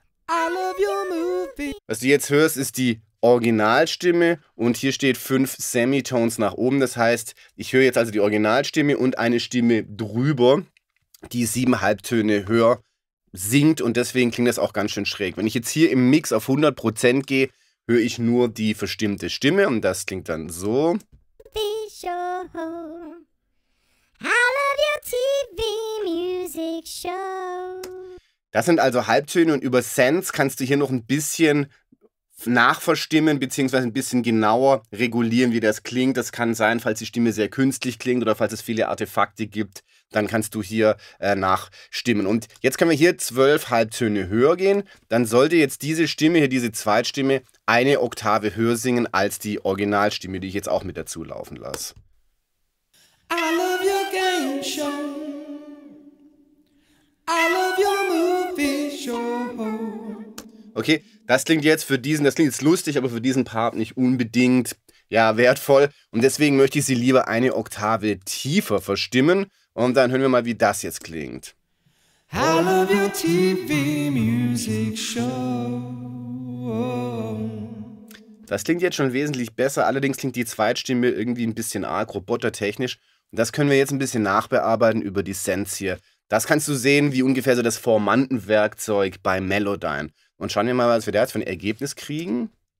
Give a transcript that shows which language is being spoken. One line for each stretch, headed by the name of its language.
English: I love your movie.
German: Was du jetzt hörst, ist die Originalstimme und hier steht 5 Semitones nach oben. Das heißt, ich höre jetzt also die Originalstimme und eine Stimme drüber, die 7 Halbtöne höher singt und deswegen klingt das auch ganz schön schräg. Wenn ich jetzt hier im Mix auf 100% gehe, höre ich nur die verstimmte Stimme und das klingt dann so.
English: The show. I love your TV music show.
German: Das sind also Halbtöne und über Sense kannst du hier noch ein bisschen nachverstimmen bzw. ein bisschen genauer regulieren, wie das klingt. Das kann sein, falls die Stimme sehr künstlich klingt oder falls es viele Artefakte gibt, dann kannst du hier nachstimmen. Und jetzt können wir hier 12 Halbtöne höher gehen. Dann sollte jetzt diese Stimme hier, diese Zweitstimme, eine Oktave höher singen als die Originalstimme, die ich jetzt auch mit dazu laufen lasse.
English: I love your game show.
German: Okay, das klingt jetzt für diesen, das klingt jetzt lustig, aber für diesen Part nicht unbedingt ja, wertvoll. Und deswegen möchte ich sie lieber eine Oktave tiefer verstimmen. Und dann hören wir mal, wie das jetzt klingt.
English: I love your TV music show.
German: Das klingt jetzt schon wesentlich besser, allerdings klingt die Zweitstimme irgendwie ein bisschen arg robotertechnisch. Und das können wir jetzt ein bisschen nachbearbeiten über die Sense hier. Das kannst du sehen wie ungefähr so das Formantenwerkzeug bei Melodyne. Und schauen wir mal, was wir da jetzt für ein Ergebnis kriegen.